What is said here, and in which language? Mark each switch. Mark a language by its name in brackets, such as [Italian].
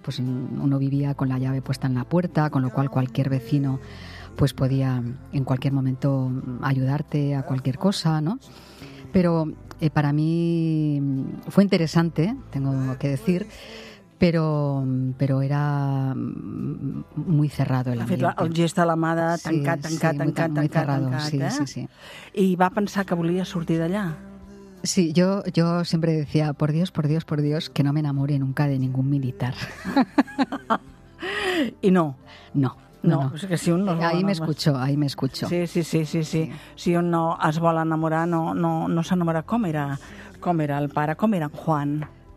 [Spanish] Pues uno vivía con la llave puesta en la puerta, con lo cual cualquier vecino pues podía en cualquier momento ayudarte a cualquier cosa, ¿no? Pero para mí fue interesante, tengo que decir, pero era muy cerrado el ambiente. [Catalan] El gest a la mà de tancat, tancat, tancat, tancat, [Spanish] cerrado, [Catalan] tancat, sí, eh? Sí, sí. I va pensar que volia sortir d'allà. [Spanish] Sí, yo siempre decía, por Dios, por Dios, por Dios, que no me enamore nunca de ningún militar. ¿Y no? No. O sea, que si un no ahí me escucho, ahí me escucho. [Catalan] Sí. Si un no es vol enamorar, no s'enamora. [Spanish] ¿Cómo era el pare? ¿Cómo era Juan?